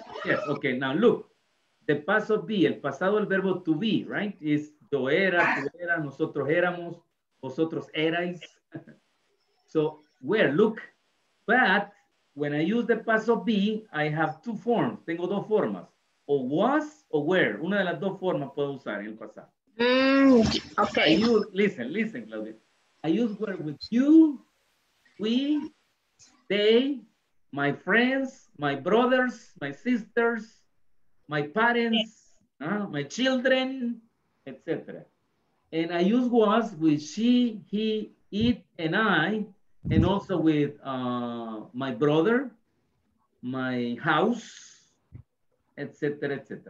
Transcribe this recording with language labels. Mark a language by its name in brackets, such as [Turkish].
[English] Yes, okay, now look. The past of be, [Spanish] el pasado del verbo to be, [English] right? [Spanish] Is yo era, tú era, nosotros éramos, vosotros erais. [English] So, where, look. But, when I use the past of be, I have two forms. [Spanish] Tengo dos formas. O was, o were. Una de las dos formas puedo usar en el pasado. [English] Okay. Listen, Claudia. I use where with you, we, they, my friends, my brothers, my sisters, my parents, yes. My children, etc. And I use was with she, he, it, and I, and also with my brother, my house, etc., etc.